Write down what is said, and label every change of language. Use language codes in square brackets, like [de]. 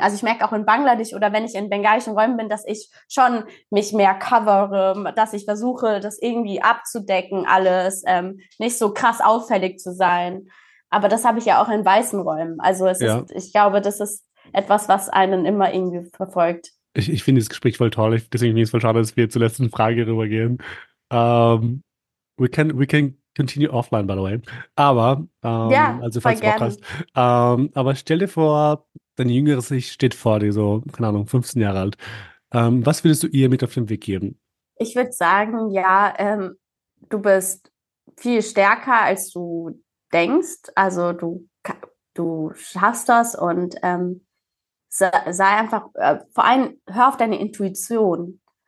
[de] Also ich merke auch in Bangladesch oder wenn ich in bengalischen Räumen bin, dass ich schon mich mehr covere, dass ich versuche, das irgendwie abzudecken alles, nicht so krass auffällig zu sein. Aber das habe ich ja auch in weißen Räumen. Also ich glaube, das ist etwas, was einen immer irgendwie verfolgt. Ich finde dieses Gespräch voll toll, deswegen finde ich es voll schade, dass wir zur letzten Frage rübergehen. [en] We can continue offline, by the way. [de] Aber, also falls du Bock hast. Aber stell dir vor, dein jüngeres Ich steht vor dir, so, keine Ahnung, 15 Jahre alt. Was würdest du ihr mit auf den Weg geben? Ich würde sagen, du bist viel stärker, als du denkst. Also du schaffst das und sei einfach, vor allem hör auf deine Intuition.